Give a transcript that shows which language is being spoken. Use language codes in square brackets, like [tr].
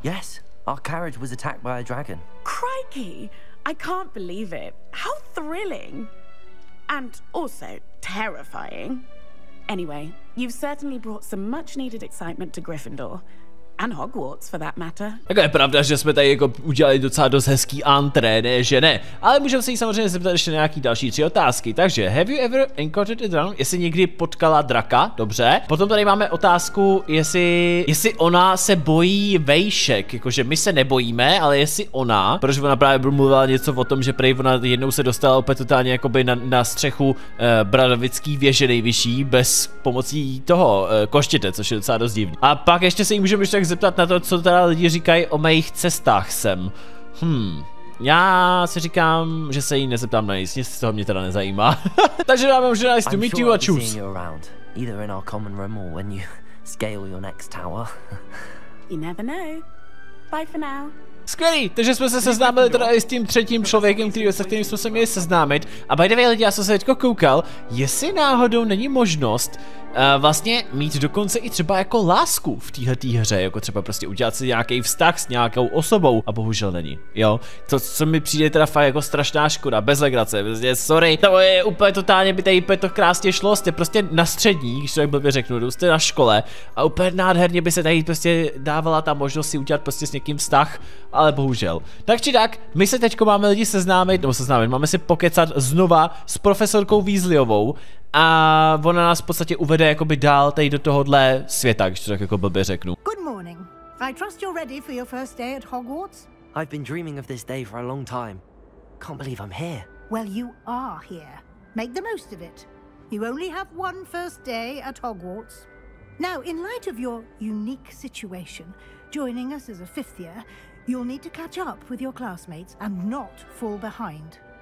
[en] Yes, our carriage was attacked by a dragon. Crikey, I can't believe it. How thrilling. And also terrifying. Anyway, you've certainly brought some much needed excitement to Gryffindor. And Hogwarts, for that matter. [cs] Jako je pravda, že jsme tady jako udělali docela dost hezký antré, ne, že ne. Ale můžeme se jí samozřejmě zeptat ještě nějaký další tři otázky. [en] Takže, have you ever encountered a dragon? [cs] Jestli někdy potkala draka, dobře. Potom tady máme otázku, jestli ona se bojí vejšek. Jakože my se nebojíme, ale jestli ona, protože ona právě mluvila něco o tom, že prej ona jednou se dostala opět totálně jakoby na střechu bradavický věže nejvyšší bez pomocí toho koštěte, což je docela dost divný. A pak ještě se jí můžeme tak zeptat na to, co teda lidi říkají o mých cestách sem. Já si říkám, že se jí nezeptám na nic, z toho mě teda nezajímá. Takže dáme už [en] nice to meet you [cs] a choose. [en] Seeing you around, either in our common room or when you scale your next tower. You never know. Bye for now. [cs] Skvělý, takže jsme se seznámili teda i s tím třetím člověkem, kterým jsme se měli seznámit. A [en] by the way, [cs] lidi, já jsem se teďko koukal, jestli náhodou není možnost vlastně mít dokonce i třeba jako lásku v téhletý hře, jako třeba prostě udělat si nějaký vztah s nějakou osobou, a bohužel není, jo. To, co mi přijde teda fakt jako strašná škoda, bez legrace, prostě sorry, to je úplně totálně, by tady to krásně šlo, jste prostě na střední, když to tak blbě řeknu, jste na škole a úplně nádherně by se tady prostě dávala ta možnost si udělat prostě s někým vztah, ale bohužel. Tak či tak, my se teďko máme lidi seznámit, nebo seznámit, máme si pokecat znova s profesorkou Weasleyovou. A ona nás v podstatě uvede jakoby dál tady do tohohle světa, když to tak jako blbě řeknu. [en] Good morning. I trust you're ready for your first day at Hogwarts. I've been dreaming of this day for a long time. Can't believe I'm here. Well, you are here. Make the most of it. You only have one first day at Hogwarts. Now, in light of your unique situation, joining us as a fifth year, you'll need to catch up with your classmates and not fall behind.